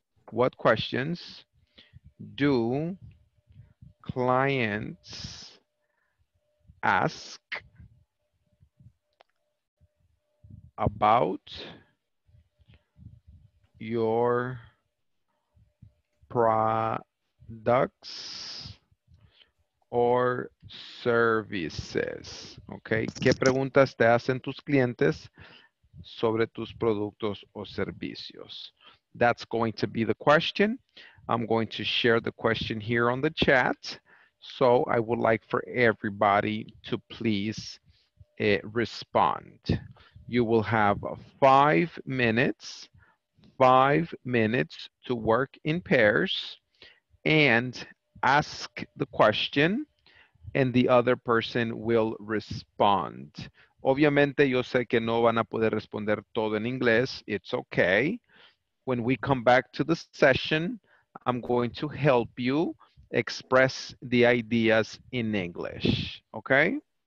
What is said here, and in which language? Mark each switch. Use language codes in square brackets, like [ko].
[en] What questions do clients ask about your products or services? [es] Okay, ¿qué preguntas te hacen tus clientes sobre tus productos o servicios? [en] That's going to be the question. I'm going to share the question here on the chat. So I would like for everybody to please respond. You will have 5 minutes, 5 minutes to work in pairs and ask the question, and the other person will respond. [es] Obviamente, yo sé que no van a poder responder todo en inglés. [en] It's okay. When we come back to the session, I'm going to help you express the ideas in English, okay?